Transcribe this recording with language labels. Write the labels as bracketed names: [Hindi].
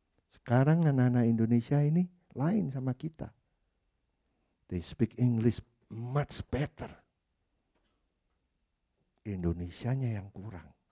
[Indonesian] Sekarang anak-anak Indonesia ini lain sama kita. [English] They speak English much better. [Indonesian] Indonesianya yang kurang.